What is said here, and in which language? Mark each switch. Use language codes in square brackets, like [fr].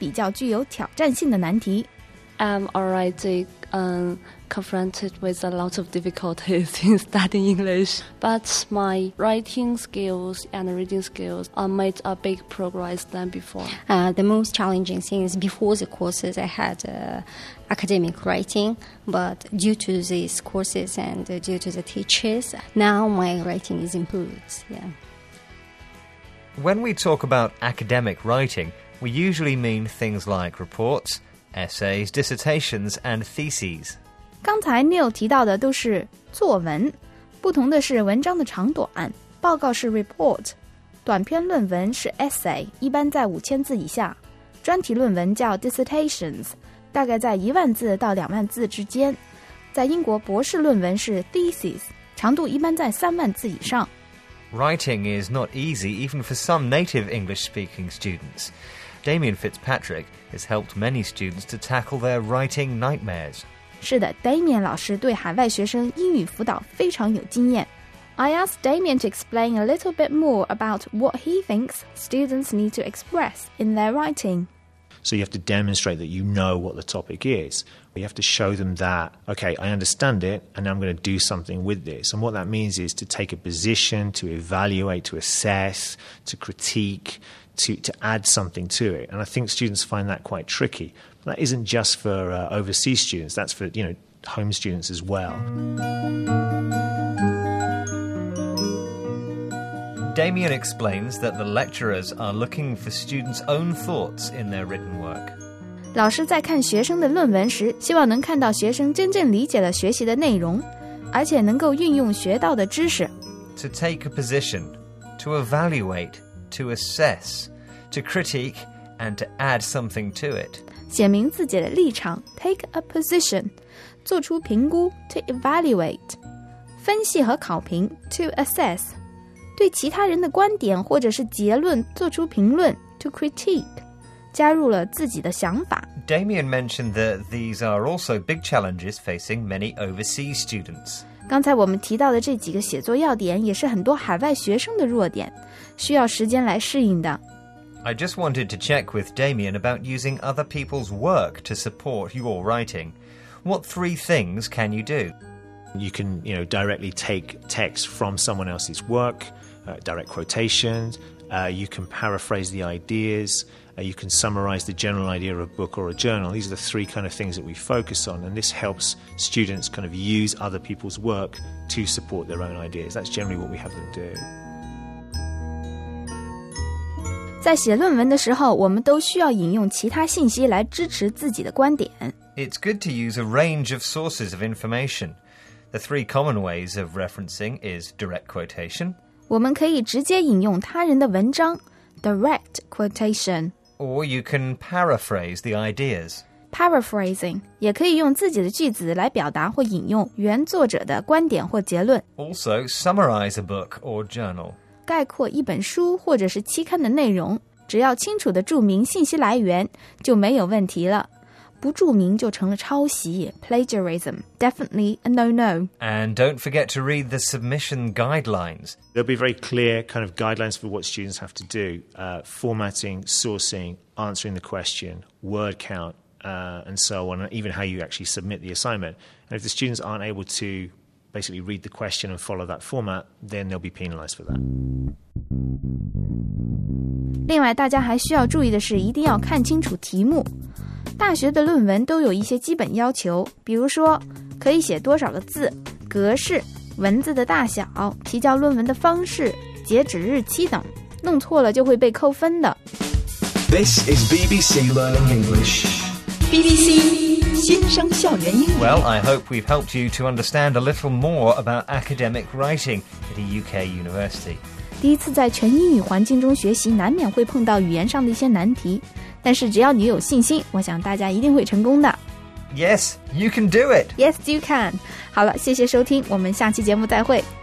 [zh] 论文写作,我最怕写作了。这也是在伦敦国王学院学习的Crystal和Denara两位同学觉得比较具有挑战性的难题。 [en] I'm already confronted with a lot of difficulties in studying English, but my writing skills and reading skills are made a big progress than before. The most challenging thing is before the courses I had academic writing, but due to these courses and due to the teachers, now my writing is improved. Yeah. When we talk about academic writing, we usually mean things like reports,essays, dissertations, and theses. [zh] 刚才 Neil 提到的都是作文，不同的是文章的长短，报告是 report， 短篇论文是 essay， 一般在5000字以下，专题论文叫 dissertations， 大概在10000字到20000字之间，在英国博士论文是 theses， 长度一般在30000字以上。 [en] Writing is not easy even for some native English-speaking students. Damien Fitzpatrick has helped many students to tackle their writing nightmares. [zh] 是的 ,Damien 老师对海外学生英语辅导非常有经验。 [en] I asked Damien to explain a little bit more about what he thinks students need to express in their writing. So you have to demonstrate that you know what the topic is. You have to show them that, okay, I understand it, and I'm going to do something with this. And what that means is to take a position, to evaluate, to assess, to critique,to add something to it. And I think students find that quite tricky. That isn't just for overseas students, that's for, you know, home students as well. Damien explains that the lecturers are looking for students' own thoughts in their written work. [zh] 老师在看学生的论文时，希望能看到学生真正理解了学习的内容，而且能够运用学到的知识。 [en] To take a position, to evaluate,to assess, to critique, and to add something to it. [zh] 写明自己的立场 [en] take a position, [zh] 做出评估 [en] to evaluate, [zh] 分析和考评 [en] to assess, [zh] 对其他人的观点或者是结论做出评论 [en] to critique, [zh] 加入了自己的想法。 [en] Damien mentioned that these are also big challenges facing many overseas students. [zh] 刚才我们提到的这几个写作要点也是很多海外学生的弱点，需要时间来适应的。 [en] I just wanted to check with Damien about using other people's work to support your writing. What three things can you do? You can, you know, directly take text from someone else's work, direct quotations, you can paraphrase the ideas, you can summarize the general idea of a book or a journal. These are the three kind of things that we focus on, and this helps students kind of use other people's work to support their own ideas. That's generally what we have them do. [zh] 在写论文的时候，我们都需要引用其他信息来支持自己的观点。 [en] It's good to use a range of sources of information. The three common ways of referencing is direct quotation. [zh] 我们可以直接引用他人的文章 [en] direct quotation. Or you can paraphrase the ideas. [zh] Paraphrasing 也可以用自己的句子来表达或引用原作者的观点或结论。 [en] Also, summarize a book or journal. [zh] 概括一本书或者是期刊的内容，只要清楚地注明信息来源就没有问题了。不注明就成了抄袭 plagiarism, [en] definitely a no-no. And don't forget to read the submission guidelines. There'll be very clear kind of guidelines for what students have to do, formatting, sourcing, answering the question, word count, and so on, and even how you actually submit the assignment. And if the students aren't able to basically read the question and follow that format, then they'll be penalized for that. [zh] 另外大家还需要注意的是一定要看清楚题目。大学的论文都有一些基本要求，比如说可以写多少个字，格式、文字的大小、提交论文的方式、截止日期等，弄错了就会被扣分的。 [en] This is BBC Learning English. [zh] BBC 新生校园英语。 [en] Well, I hope we've helped you to understand a little more about academic writing at a UK university. [zh] 第一次在全英语环境中学习，难免会碰到语言上的一些难题，但是只要你有信心，我想大家一定会成功的。 [en] Yes, you can do it. Yes, you can. [zh] 好了，谢谢收听，我们下期节目再会。